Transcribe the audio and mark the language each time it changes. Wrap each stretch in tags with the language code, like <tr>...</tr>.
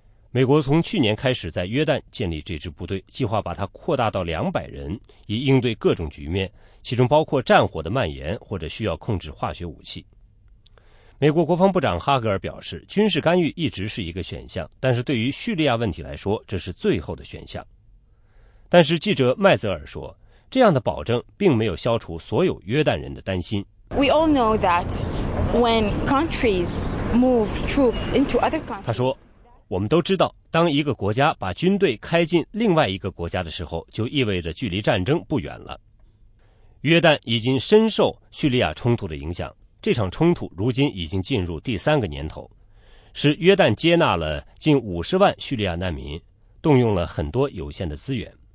<zh>美国从去年开始在约旦建立这支部队，计划把它扩大到200人，以应对各种局面，其中包括战火的蔓延或者需要控制化学武器。美国国防部长哈格尔表示，军事干预一直是一个选项，但是对于叙利亚问题来说，这是最后的选项。但是记者麦泽尔说，这样的保证并没有消除所有约旦人的担心。</zh> <en>We all know that when countries move troops into other countries.</en> <zh>他说，我们都知道，当一个国家把军队开进另外一个国家的时候，就意味着距离战争不远了。约旦已经深受叙利亚冲突的影响，这场冲突如今已经进入第3个年头，使约旦接纳了近50万叙利亚难民，动用了很多有限的资源。</zh>